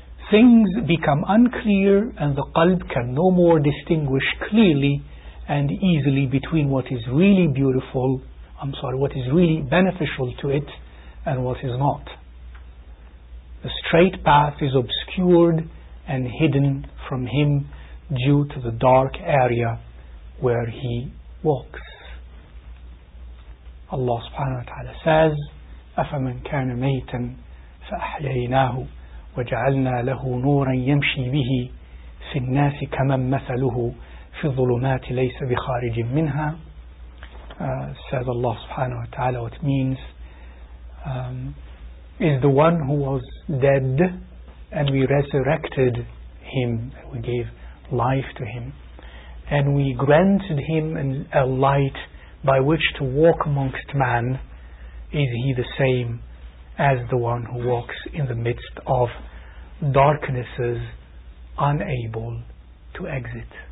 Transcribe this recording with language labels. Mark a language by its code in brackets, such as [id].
[en] Things become unclear and the qalb can no more distinguish clearly and easily between what is really beautiful, what is really beneficial to it, and what is not. The straight path is obscured and hidden from him due to the dark area where he walks. Allah subhanahu wa ta'ala says, [ar] أَفَمَنْ كَانَ مَيْتًا فَأَحْيَيْنَاهُ وَجَعَلْنَا لَهُ نُورًا يَمْشِي بِهِ فِي النَّاسِ كَمَنْ مَثَلُهُ فِي الظُّلُمَاتِ لَيْسَ بِخَارِجٍ مِّنْهَا. [en] Says Allah subhanahu wa ta'ala, what it means is the one who was dead and we resurrected him, we gave life to him, and we granted him a light by which to walk amongst man, is he the same as the one who walks in the midst of darknesses, unable to exit?